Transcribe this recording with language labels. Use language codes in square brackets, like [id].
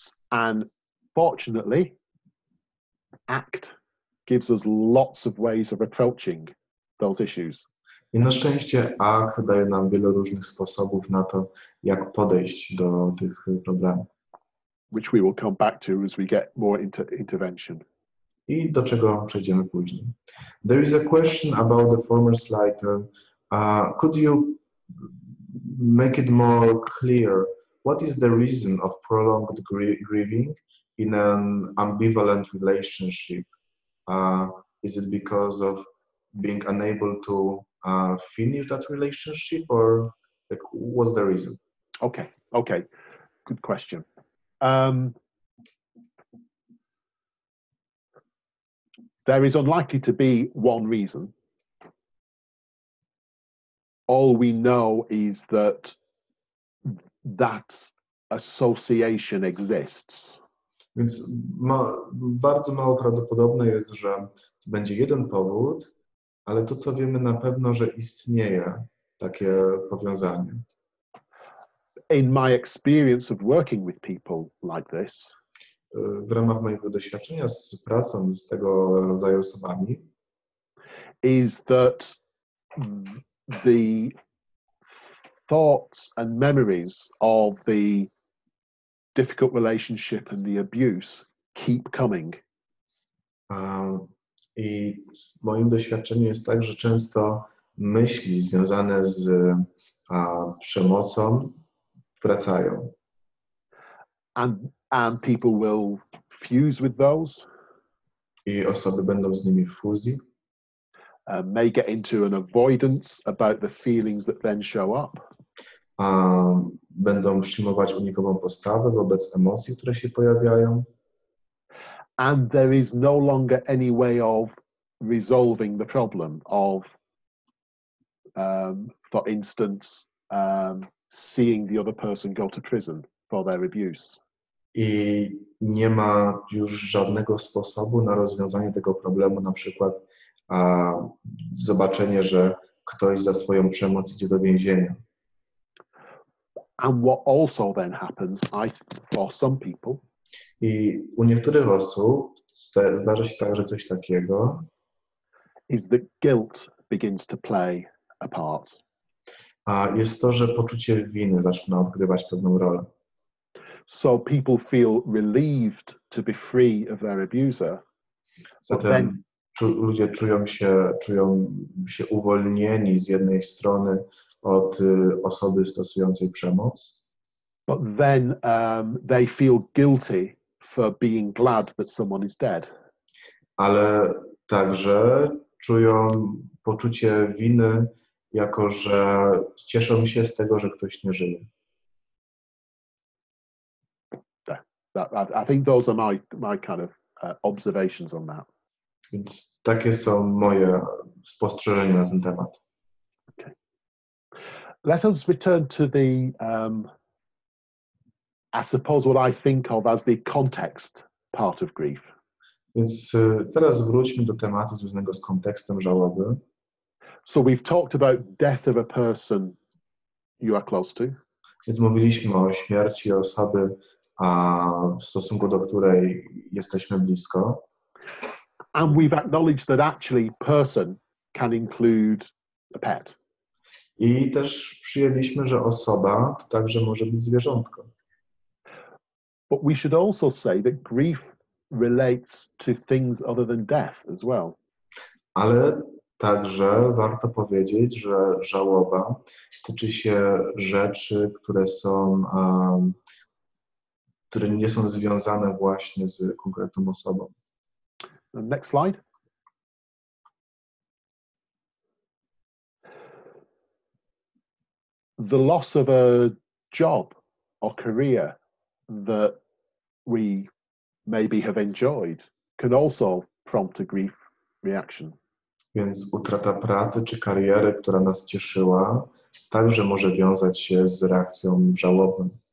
[en] And fortunately, ACT gives us lots of ways of approaching those issues. [pl] I na szczęście ACT daje nam wiele różnych sposobów na to, jak podejść do tych problemów. [en] Which we will come back to as we get more into intervention. [pl] I do czego przejdziemy później. [en] There is a question about the former slide. Could you make it more clear? What is the reason of prolonged grieving in an ambivalent relationship? Is it because of being unable to finish that relationship, or like, what's the reason? Okay, good question. There is unlikely to be one reason. All we know is that that association exists. [pl] Więc bardzo mało prawdopodobne jest, że będzie jeden powód, ale to, co wiemy na pewno, że istnieje takie powiązanie. [en] In my experience of working with people like this, [pl] w ramach mojego doświadczenia z pracą z tego rodzaju osobami, [en] is that the thoughts and memories of the difficult relationship and the abuse keep coming. [pl] I moim doświadczeniem jest tak, że często myśli związane z przemocą wracają. [en] And people will fuse with those. [pl] I osoby będą z nimi w fuzji. [en] May get into an avoidance about the feelings that then show up. [pl] Będą przyjmować unikową postawę wobec emocji, które się pojawiają. [en] And there is no longer any way of resolving the problem of, for instance, seeing the other person go to prison for their abuse. [pl] I nie ma już żadnego sposobu na rozwiązanie tego problemu, na przykład zobaczenie, że ktoś za swoją przemoc idzie do więzienia. [en] And what also then happens, for some people, [pl] i u niektórych osób zdarza się także coś takiego, [en] is the guilt begins to play a part. [pl] A jest to, że poczucie winy zaczyna odgrywać pewną rolę. [en] So people feel relieved to be free of their abuser. [pl] Zatem [en] then, [pl] ludzie czują się uwolnieni z jednej strony od osoby stosującej przemoc. [en] But then they feel guilty for being glad that someone is dead. [pl] Ale także czują poczucie winy, jako że cieszą się z tego, że ktoś nie żyje. [en] I think those are my kind of observations on that. [pl] Więc takie są moje spostrzeżenia na ten temat. [en] Okay. Let us return to the, I suppose, what I think of as the context part of grief. [pl] Więc teraz wróćmy do tematu związanego z kontekstem żałoby. [en] So we've talked about death of a person you are close to. [pl] Więc mówiliśmy o śmierci osoby, w stosunku do której jesteśmy blisko. [en] And we've acknowledged that actually person can include a pet. [pl] I też przyjęliśmy, że osoba to także może być zwierzątko. [en] But we should also say that grief relates to things other than death as well. [pl] Ale także warto powiedzieć, że żałoba tyczy się rzeczy, które są, które nie są związane właśnie z konkretną osobą. [en] Next slide. The loss of a job or career that we maybe have enjoyed can also prompt a grief reaction. [pl] Więc utrata pracy czy kariery, która nas cieszyła, także może wiązać się z reakcją żałobną.